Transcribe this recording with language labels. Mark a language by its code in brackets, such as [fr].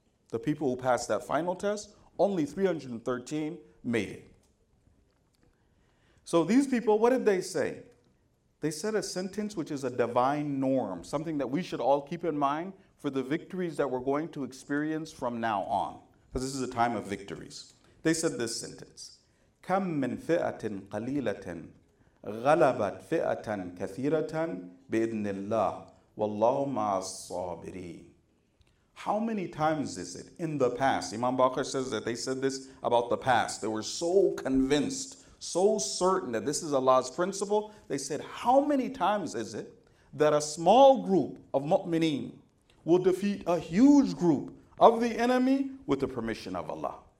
[en] The people who passed that final test, only 313 made it. So these people, what did they say? They said a sentence which is a divine norm, something that we should all keep in mind for the victories that we're going to experience from now on, because this is a time of victories. They said this sentence, [ar] كَمْ مِنْ فِئَةٍ قَلِيلَةٍ غَلَبَتْ فِئَةً كَثِيرَةً بِإِذْنِ اللَّهِ وَاللَّهُ مَعَ الصَّابِرِينَ. [en] How many times is it in the past? Imam Baqir says that they said this about the past. They were so convinced, so certain that this is Allah's principle, they said, how many times is it that a small group of mu'mineen will defeat a huge group of the enemy with the permission of Allah?